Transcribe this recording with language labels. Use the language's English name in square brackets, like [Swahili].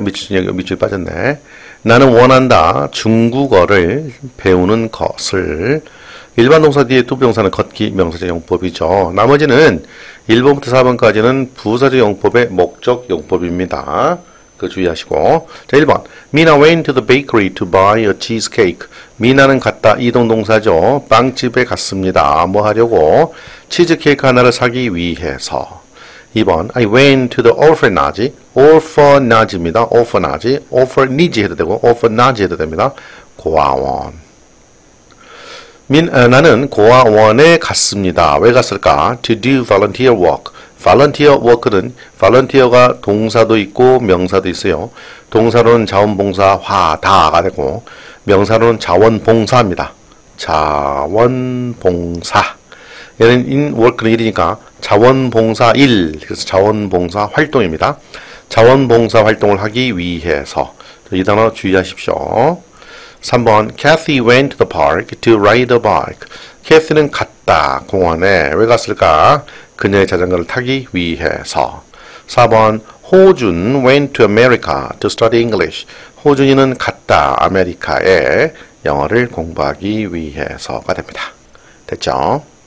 [Korean] 밑줄 빠졌네. 나는 원한다. 중국어를 배우는 것을. 일반 동사 뒤에 두부정사는 걷기 명사적 용법이죠. 나머지는 1번부터 4번까지는 부사적 용법의 목적 용법입니다. 그 주의하시고. 자, 1번. [English] Mina went to the bakery to buy a cheesecake. [Korean] Mina는 갔다. 이동 동사죠. 빵집에 갔습니다. 뭐 하려고? 치즈케이크 하나를 사기 위해서. [English] 2번. I went to the orphanage. Orphanage입니다. Orphanage. [Korean] Orphanage 해도 되고, Orphanage 해도 됩니다. 고아원. 나는 고아원에 갔습니다. 왜 갔을까? [English] To do volunteer work. [Korean] Volunteer work는 volunteer가 동사도 있고 명사도 있어요. 동사로는 자원봉사 화다가 되고 명사로는 자원봉사입니다. 자원봉사. 얘는 in work는 일이니까 자원봉사 일. 그래서 자원봉사 활동입니다. 자원봉사 활동을 하기 위해서. 이 단어 주의하십시오. [English] 3번 Kathy went to the park to ride a bike. [Korean] Kathy는 갔다 공원에. 왜 갔을까? 그녀의 자전거를 타기 위해서. [English] 4번 호준 went to America to study English. [Korean] 호준이는 갔다 아메리카에 영어를 공부하기 위해서가 됩니다. 됐죠?